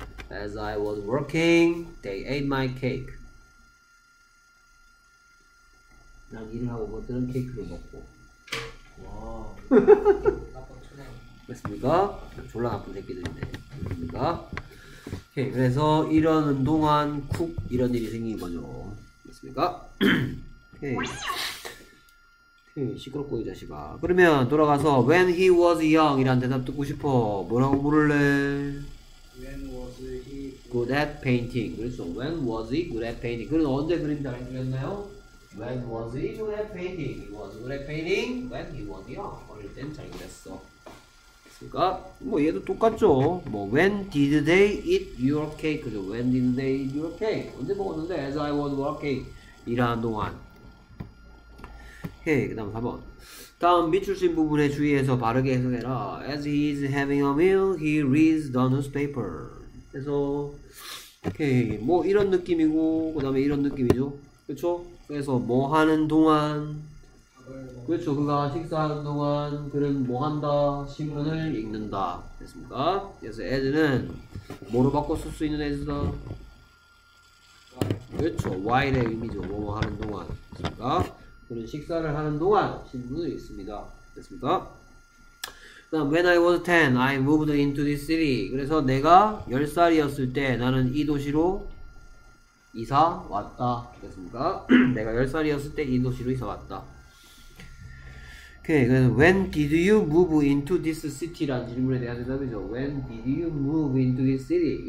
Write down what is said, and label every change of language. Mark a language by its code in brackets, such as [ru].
[en] As I was working, they ate my cake. [ko] 난 일을 하고 그들은 케이크를 먹고. 와. 됐습니까? 졸라 나쁜 새끼들인데. 됐습니까? 오케이. 그래서 이러는 동안 쿡 이런 일이 생긴 거죠. 됐습니까? 오케이. 시끄럽고 이 자식아. 그러면 돌아가서 [en] When he was young [ko] 이란 대답 듣고 싶어. 뭐라고 부를래? [en] When was he good at painting? 그래서 When was he good at painting? [ko] 그는 언제 그림 잘 그렸나요? [en] When was he good at painting? He was good at painting when he was young. [ko] 어릴 땐 잘 그렸어. 그러니까 뭐 얘도 똑같죠. [en] 뭐 When did they eat your cake? When did they eat your cake? [ko] 언제 먹었는데? [en] As I was working. [ko] 일하는 동안. 오케이. 그 다음 4번. 다음 밑줄 쓴 부분에 주의해서 바르게 해석해라. [en] As he is having a meal, he reads the newspaper. [ko] 그래서 오케이. 뭐 이런 느낌이고 그 다음에 이런 느낌이죠. 그렇죠? 그래서 뭐 하는 동안 그렇죠. 그가 식사하는 동안 그는 뭐 한다? 신문을 읽는다. 됐습니까? 그래서 애들은 뭐로 바꿔 쓸 수 있는 애들다. 그렇죠. while의 의미죠. 뭐 하는 동안. 됐습니까? 그는 식사를 하는 동안 신문을 읽습니다. 됐습니까? [en] 그다음 when I was 10, I moved into this city. [ko] 그래서 내가 10살이었을 때 나는 이 도시로 이사 왔다. 됐습니까? 내가 10살이었을 때 이 도시로 이사 왔다. 오케이. 그래서 [en] when did you move into this city [ko] 라는 질문에 대한 대답이죠. [en] When did you move into this city?